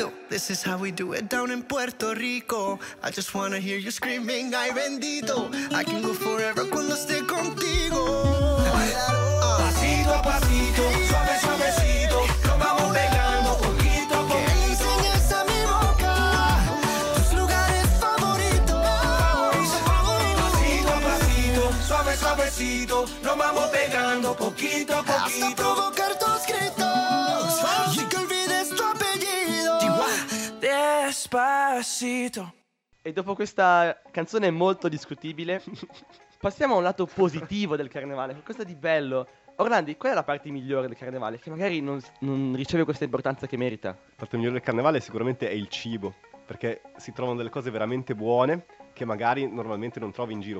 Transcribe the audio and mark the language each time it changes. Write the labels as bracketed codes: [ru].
[en] This is how we do it down in Puerto Rico. I just wanna hear you screaming, [es] ay bendito. [en] I can go forever [es] cuando esté contigo. Pasito a pasito, suave, suavecito. Nos vamos pegando poquito a poquito. Que enseñes a mi boca tus lugares favoritos. Pasito a pasito, suave, suavecito. Nos vamos pegando poquito a poquito. Hasta provocar tus gritos. Y que olvides tu apellido. Despacito. [it] E dopo questa canzone molto discutibile, passiamo a un lato positivo del carnevale. Qualcosa di bello. Orlandi, qual è la parte migliore del carnevale? Che magari non riceve questa importanza che merita. La parte migliore del carnevale sicuramente è il cibo, perché si trovano delle cose veramente buone che magari normalmente non trovi in giro.